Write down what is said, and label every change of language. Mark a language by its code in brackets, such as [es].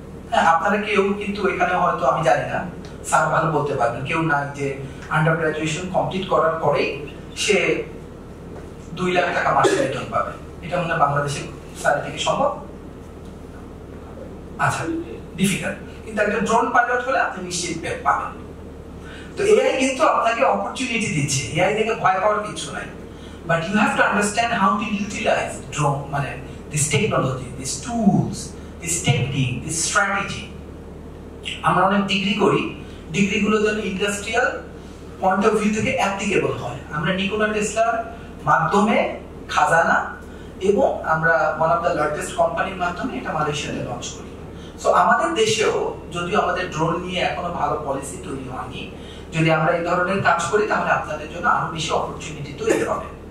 [bn] হ্যাঁ, আপনারা কেউ কিন্তু এখানে হয়তো আমি জানি না স্যার ভালো বলতে পারবেন, কেউ না যে আন্ডার গ্রাজুয়েশন কমপ্লিট করার পরেই সে 2 লাখ টাকা মাসে বেতন পাবে, এটা মনে হয় বাংলাদেশে স্যারের থেকে সম্ভব? আচ্ছা, ডিফিকাল্ট, কিন্তু একটা ড্রোন পাইলট হলে আপনি নিশ্চিত পাবেন। তো AI কিন্তু আপনাকে অপরচুনিটি দিচ্ছে, AI দেখে ভয় পাওয়ার কিছু নাই। [en] But you have to understand how to utilize drone, [bn] মানে [en] this technology, these tools, this technique, this strategy. [bn] আমরা অনেক ডিগ্রি করি, ডিগ্রিগুলো যেন [en] industrial point of view [bn] থেকে অ্যাপ্লিকেবল হয়। আমরা নিকোলা টেসলার মাধ্যমে খাজানা এবং আমরা [en] one of the largest [bn] কোম্পানির মাধ্যমে এটা মালয়েশিয়াতে লঞ্চ করি। সো আমাদের দেশেও যদিও আমাদের ড্রোন নিয়ে এখনো ভালো পলিসি তৈরি হয়নি, যদি আমরা এই ধরনের কাজ করি তাহলে আপনাদের জন্য আরো বেশি অপরচুনিটি তৈরি হবে।